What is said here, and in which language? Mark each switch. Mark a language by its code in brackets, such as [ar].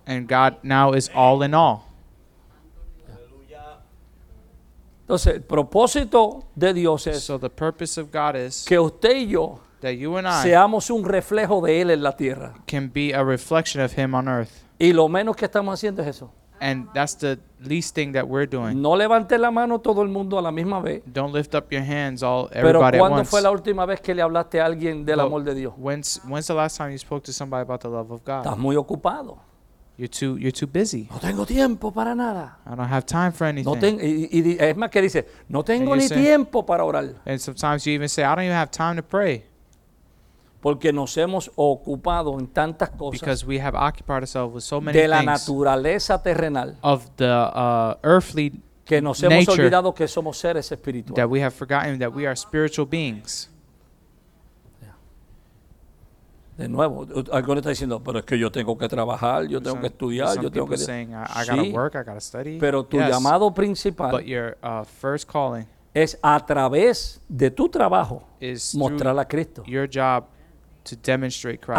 [en] And God now is all in all. [es] Entonces, el propósito de Dios es [en] so the purpose of God is [es] que usted y yo [en] that you and I [es] seamos un reflejo de Él en la tierra. [en] Can be a reflection of Him on earth. [es] Y lo menos que estamos haciendo es eso. [en] And that's the least thing that we're doing. [es] No levante la mano todo el mundo a la misma vez. [en] Don't lift up your hands all everybody [es] pero [en] at once. [es] Pero ¿cuándo fue la última vez que le hablaste a alguien del well, amor de Dios? [en] When's the last time you spoke to somebody about the love of God? [es] Estás muy ocupado. [en] You're too busy. [es] No tengo tiempo para nada. [en] I don't have time for anything. [es] No tengo y es más que dice, no tengo ni tiempo para orar. [en] And sometimes you even say, I don't even have time to pray. [es] Porque nos hemos ocupado en tantas cosas. [en] Because we have occupied ourselves with so many [es] de [en] things. [es] De la naturaleza terrenal. [en] Of the earthly [es] que nos [en] nature, [es] hemos olvidado que somos seres espirituales. [en] That we have forgotten that we are spiritual beings. [es] De nuevo, alguien está diciendo, pero es que yo tengo que trabajar, yo tengo que estudiar, yo tengo que [en] saying, I gotta work, I gotta study. [es] Pero tu [en] yes, [es] llamado principal [en] your, first calling [es] es a través de tu trabajo mostrar a Cristo. [en] Your job to demonstrate Christ.